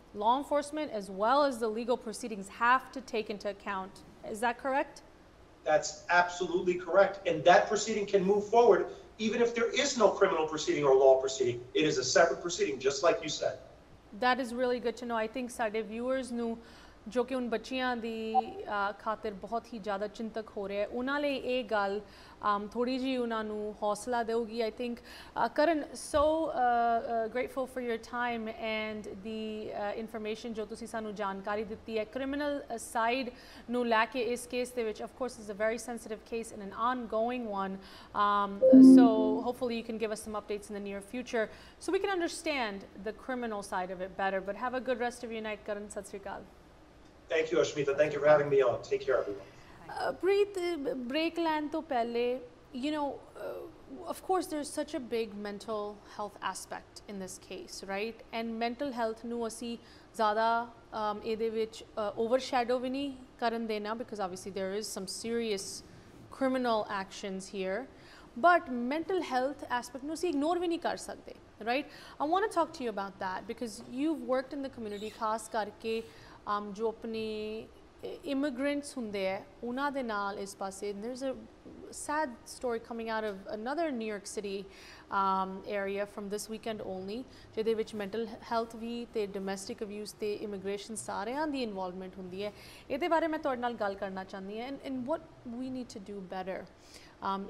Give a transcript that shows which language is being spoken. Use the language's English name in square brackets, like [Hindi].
[English] law enforcement as well as the legal proceedings have to take into account. Is that correct? That's absolutely correct. And that proceeding can move forward even if there is no criminal proceeding or law proceeding. It is a separate proceeding, just like you said. That is really good to know. I think [Punjabi] sade viewers nu ਜੋ ਕਿ ਉਹਨਾਂ ਬੱਚਿਆਂ ਦੀ ਖਾਤਰ ਬਹੁਤ ਹੀ ਜ਼ਿਆਦਾ ਚਿੰਤਕ ਹੋ ਰਿਹਾ, ਉਹਨਾਂ ਲਈ ਇਹ ਗੱਲ ਥੋੜ੍ਹੀ ਜਿਹੀ ਉਹਨਾਂ ਨੂੰ ਹੌਸਲਾ ਦੇਊਗੀ। [English] I think Karan, so grateful for your time and the information [Punjabi] ਜੋ ਤੁਸੀਂ ਸਾਨੂੰ ਜਾਣਕਾਰੀ ਦਿੱਤੀ ਹੈ ਕ੍ਰਿਮੀਨਲ ਸਾਈਡ ਨੂੰ ਲੈ ਕੇ ਇਸ ਕੇਸ ਦੇ ਵਿੱਚ। [English] Of course is a very sensitive case in an ongoing one, so hopefully you can give us some updates in the near future so we can understand the criminal side of it better. But have a good rest of your night Karan, [Punjabi] ਸਤਿ ਸ਼੍ਰੀ ਅਕਾਲ। [English] Thank you, Aashmeeta. Thank you for having me on. Take care, everyone. Preet, break [Punjabi] land to pehle, [English] you know, of course, there's such a big mental health aspect in this case, right? And mental health [Punjabi] nu assi zyada ede vich [English] overshadow [Punjabi] vi nahi karan dena, [English] because obviously there is some serious criminal actions here. But mental health aspect [Punjabi] nu assi ignore vi nahi kar sakde, right? [English] I want to talk to you about that because you've worked in the community, [Punjabi] khas karke ਜੋ ਆਪਣੇ immigrants ਹੁੰਦੇ ਹੈ ਉਹਨਾਂ ਦੇ ਨਾਲ ਇਸ ਪਾਸੇ। [English] there is a sad story coming out of another New York city area from this weekend only, [Punjabi] ਜਿਹਦੇ ਵਿੱਚ ਮੈਂਟਲ ਹੈਲਥ ਵੀ ਅਤੇ ਡੋਮੈਸਟਿਕ ਅਬਿਊਸ ਅਤੇ ਇਮੀਗ੍ਰੇਸ਼ਨ ਸਾਰਿਆਂ ਦੀ ਇਨਵੋਲਵਮੈਂਟ ਹੁੰਦੀ ਹੈ। ਇਹਦੇ ਬਾਰੇ ਮੈਂ ਤੁਹਾਡੇ ਨਾਲ ਗੱਲ ਕਰਨਾ ਚਾਹੁੰਦੀ ਹਾਂ [English] And what we need to do better.